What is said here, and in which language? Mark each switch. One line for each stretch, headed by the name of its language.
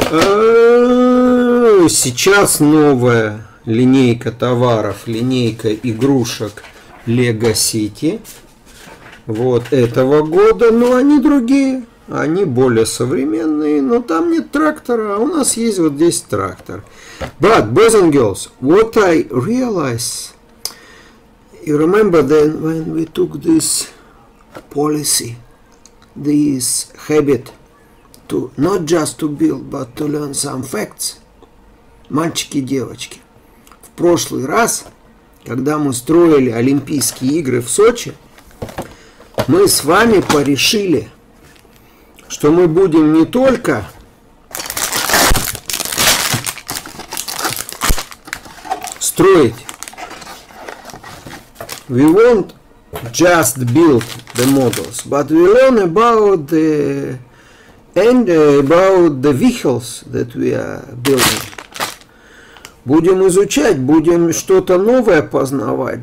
Russian: Сейчас новая линейка товаров, линейка игрушек Lego City, вот этого года, но они другие, они более современные, но там нет трактора, а у нас есть вот здесь трактор.
English: But, boys and girls, what I realize, you remember then when we took this policy, this habit to not just to build, but to learn some facts.
Russian: Мальчики и девочки, в прошлый раз, когда мы строили Олимпийские игры в Сочи, мы с вами порешили, что мы будем не только строить.
English: We won't just build the models, but we learn about the and about the vehicles that we are building.
Russian: Будем изучать, будем что-то новое познавать.